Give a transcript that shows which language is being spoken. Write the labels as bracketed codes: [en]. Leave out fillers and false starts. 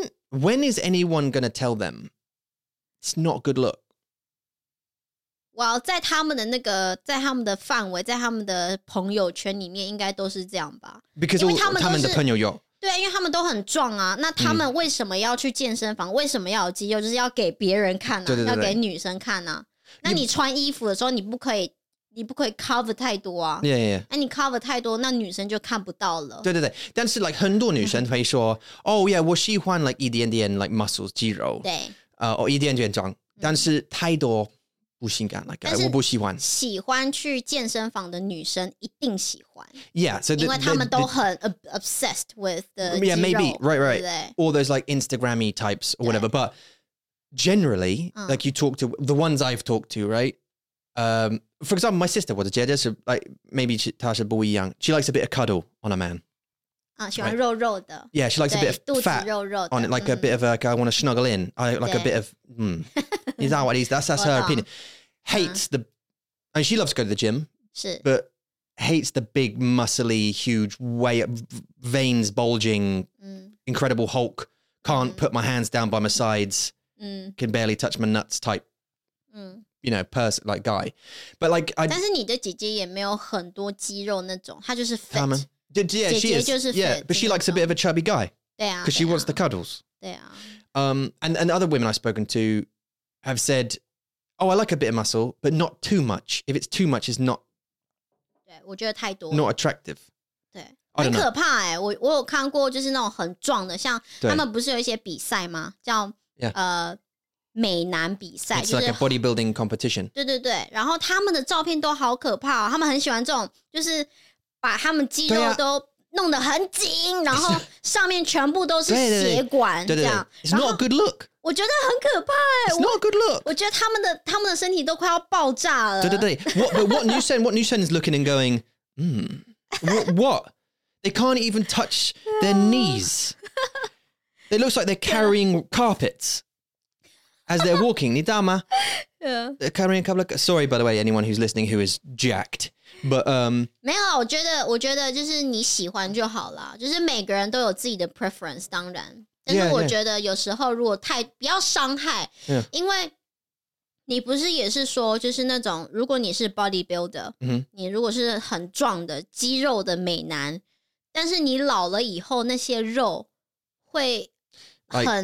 [en] When is anyone going to tell them it's not a good look? Well, [zh] 在他们的那个，在他们的范围，在他们的朋友圈里面，应该都是这样吧？ [en] Because [zh] 因为他们的朋友有，对，因为他们都很壮啊。那他们为什么要去健身房？为什么要有肌肉？就是要给别人看啊，对对对对，要给女生看啊。那你穿衣服的时候，你不可以 cover 太多啊。 [en] Yeah. [zh] 那你 cover 太多，那女生就看不到了。对对对，但是 like 很多女生会说， [en] Oh yeah, [zh] 我喜欢 like 一点点 like muscles 肌肉。对。一点点壮，但是太多。不性感 like, 我不喜欢喜欢去健身房的女生一定喜欢 [en] yeah, so the, [zh] 因为她们都很 [en] obsessed with the yeah, [zh] 肌肉 [en] yeah maybe right right [zh] 对对 [en] all those like Instagram-y types or whatever but generally like you talk to the ones I've talked to right for example my sister [zh] 我的姐姐是 [en] like, maybe [zh] 她是不一样 [en] she likes a bit of cuddle on a man [zh] 喜欢肉肉的 [en] right? yeah she likes a bit of fat [zh] 肚子肉肉的 [en] on it, like a bit of like I want to snuggle in I, like a bit of Is that what it is? That's her opinion. Hates the... And she loves to go to the gym. 是. But hates the big, muscly, huge, way up, veins bulging, incredible Hulk, can't put my hands down by my sides, can barely touch my nuts type, you know, person, like guy. But like... [zh] 但是你的姐姐也没有很多肌肉那种, 她就是 fit. [en] Yeah, [zh] 姐姐就是 [en] fit, she is. Yeah, but she likes a bit of a chubby guy. [zh] 对啊, [en] 'cause she wants the cuddles. [zh] 对啊. [en] And other women I've spoken to, have said, oh, I like a bit of muscle, but not too much. If it's too much, it's not... [zh] 对, 我觉得太多。 [en] Not attractive. [zh] 对。很可怕耶。我有看过就是那种很壮的,像他们不是有一些比赛吗? 叫美男比赛。 [en] It's like a bodybuilding competition. [zh] 对对对。然后他们的照片都好可怕哦。他们很喜欢这种,就是把他们肌肉都弄得很紧,然后上面全部都是血管。对对对。 [en] It's not a good look. [zh] 我觉得很可怕耶 [en] It's not a good look [zh] 我觉得他们的身体都快要爆炸了对对对 [en] What new sense is looking and going what They can't even touch their knees It looks like they're carrying carpets As they're walking [zh] 你知道吗 [en] They're carrying a couple of Sorry by the way Anyone who's listening who is jacked But [zh] 没有啦我觉得就是你喜欢就好啦就是每个人都有自己的 preference 当然但是我觉得有时候如果太不要伤害 [en] yeah, yeah. [zh] 因为你不是也是说就是那种如果你是 bodybuilder、mm-hmm. 你如果是很壮的肌肉的美男但是你老了以后那些肉会很、